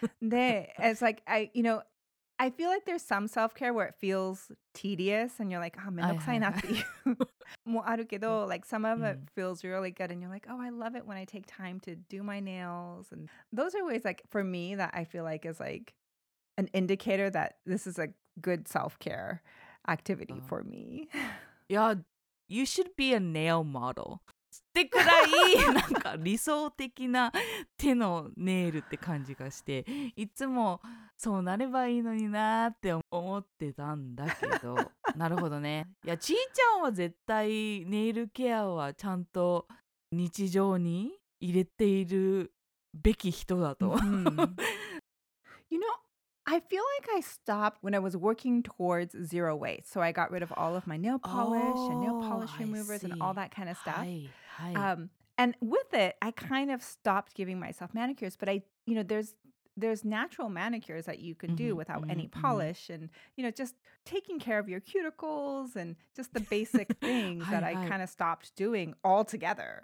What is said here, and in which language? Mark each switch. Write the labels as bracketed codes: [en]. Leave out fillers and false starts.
[en] で、it's like, I feel like there's some self-care where it feels tedious and you're like, ah, [ja] めんどくさいなっていうもあるけど、 [en] like, some of it feels really good and you're like, oh, I love it when I take time to do my nails. And those are ways, like, for me, that I feel like is, like, an indicator that this is a good self-care activity for me. Yeah, you should be a nail model. [ja] ってくらいなんか理想的な手のネイルって感じがして、いつもそうなればいいのになって思ってたんだけど、なるほどね。いや、ちーちゃんは絶対ネイルケアはちゃんと日常に入れているべき人だと。 [en] You know, I feel like I stopped when I was working towards zero waste. So I got rid of all of my nail polish and nail polish removers and all that kind of stuff. And with it, I kind of stopped giving myself manicures, but I, you know, there's natural manicures that you can do without any polish and, you know, just taking care of your cuticles and just the basic things that I kind of stopped doing altogether.